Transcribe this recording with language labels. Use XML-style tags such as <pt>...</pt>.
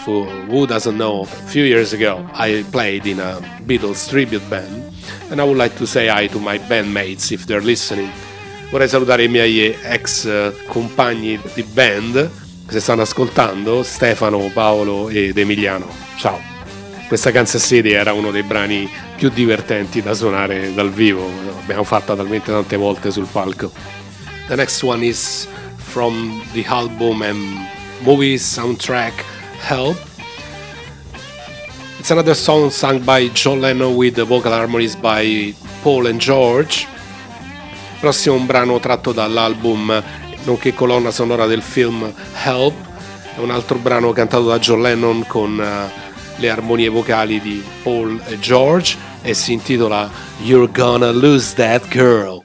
<en>Who doesn't know? A few years ago I played in a Beatles tribute band and I would like to say hi to my bandmates if they're listening.</en> <it>Vorrei salutare i miei ex compagni di band che si stanno ascoltando, Stefano, Paolo ed Emiliano. Ciao! Questa Kansas City era uno dei brani più divertenti da suonare dal vivo. L'abbiamo fatta talmente tante volte sul palco.</it> <en>The next one is from the album and movie soundtrack Help. It's another song sung by John Lennon with the vocal harmonies by Paul and George.</en> <it>Prossimo un brano tratto dall'album, nonché colonna sonora del film Help, è un altro brano cantato da John Lennon con le armonie vocali di Paul e George e si intitola You're Gonna Lose That Girl.</it>